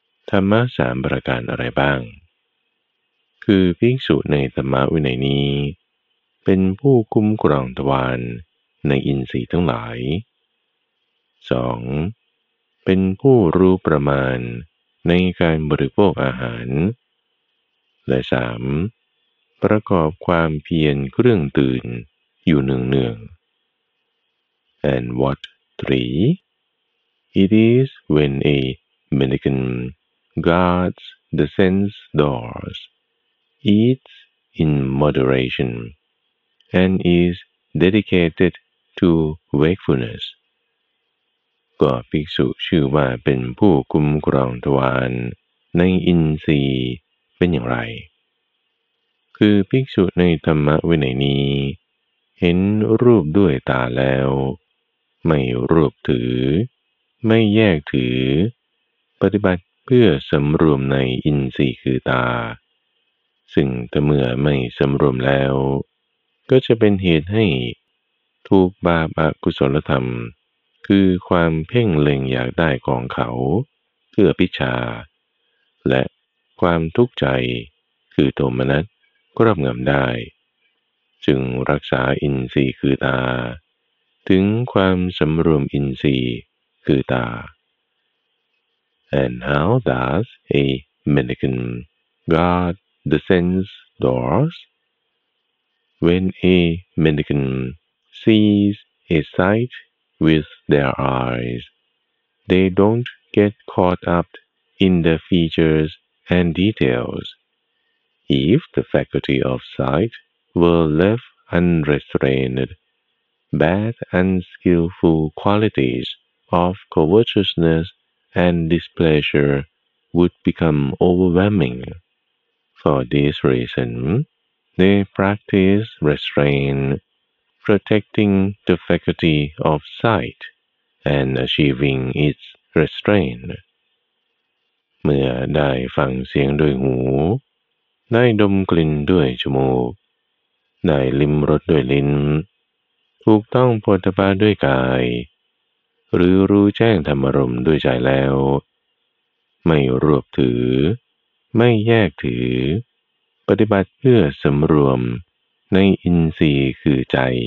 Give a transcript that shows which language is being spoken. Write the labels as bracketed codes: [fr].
[th] ธรรมะสามประการอะไรบ้างคือภิกษุในธรรมวินัยนี้เป็นผู้คุ้มครองทวารในอินทรีย์ทั้งหลาย 2. เป็นผู้รู้ประมาณในการบริโภคอาหารและ 3. ประกอบความเพียรเครื่องตื่นอยู่เนืองๆ [en] And what 3? It is when a mendicant guards the sense doors, eats in moderationand is dedicated to wakefulness. [th] ก็ภิกษุชื่อว่าเป็นผู้คุ้มครองทวารในอินทรีย์เป็นอย่างไรคือภิกษุในธรรมวินัยนี้เห็นรูปด้วยตาแล้วไม่รูปถือไม่แยกถือปฏิบัติเพื่อสำรวมในอินทรีย์คือตา ซึ่งถ้าเมื่อไม่สำรวมแล้วก็จะเป็นเหตุให้ถูกบาปอกุศลธรรมคือความเพ่งเล็งอยากได้ของเขาเพื่อพิชาและความทุกข์ใจคือโทมนัสครอบงำได้ จึงรักษาอินทรีย์คือตาถึงความสำรวมอินทรีย์คือตา [en] And how does a mendicant guard the sense doors? When a mendicant sees a sight with their eyes, they don't get caught up in the features and details. If the faculty of sight were left unrestrained, bad and skillful qualities of covetousness and displeasure would become overwhelming. For this reason,They practice restraint, protecting the faculty of sight and achieving its restraint. [th] เมื่อได้ฟังเสียงด้วยหูได้ดมกลิ่นด้วยจมูกได้ลิ้มรสด้วยลิ้นถูกต้องโผฏฐัพพะด้วยกายหรือรู้แจ้งธรรมรมด้วยใจแล้วไม่รวบถือไม่แยกถือปฏิบัติเพื่อสำรวมในอินทรีย์คือใจ